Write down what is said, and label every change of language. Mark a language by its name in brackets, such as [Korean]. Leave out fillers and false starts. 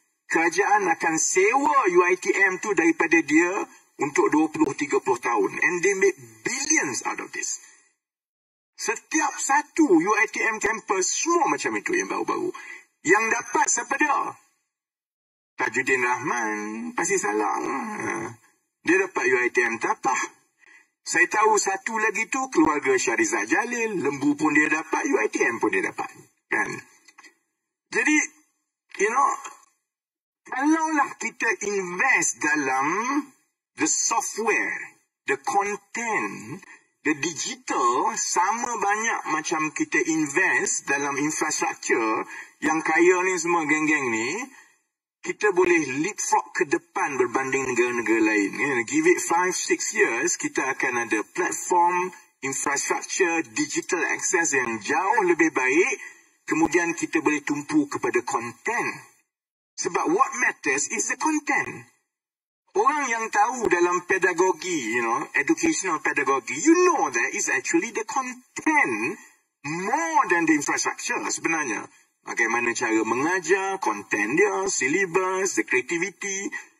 [Malay] Kerajaan akan sewa UITM tu daripada dia untuk 20-30 tahun. [English] And they make billions out of this. [Malay] Setiap satu UITM campus, semua macam itu yang baru-baru. Yang dapat siapa dia? Tajuddin Rahman, pasti salah. Dia dapat UITM Tapah. Saya tahu satu lagi tu keluarga Syarizah Jalil. Lembu pun dia dapat, UITM pun dia dapat. Kan? Jadi, you know, kalaulah kita invest dalam [English] the software, the content, the digital, [Malay] sama banyak macam kita invest dalam infrastructure yang kaya ni semua geng-geng ni, kita boleh leapfrog ke depan berbanding negara-negara lain. [English] Give it 5-6 years, [Malay] kita akan ada platform, infrastructure, digital access yang jauh lebih baik. Kemudian kita boleh tumpu kepada content. [English] Sebab what matters is the content. [Malay] Orang yang tahu dalam pedagogi, [English] you know, educational pedagogy, you know that it's actually the content more than the infrastructure sebenarnya. [Malay] Bagaimana cara mengajar, konten dia, silibus, the creativity.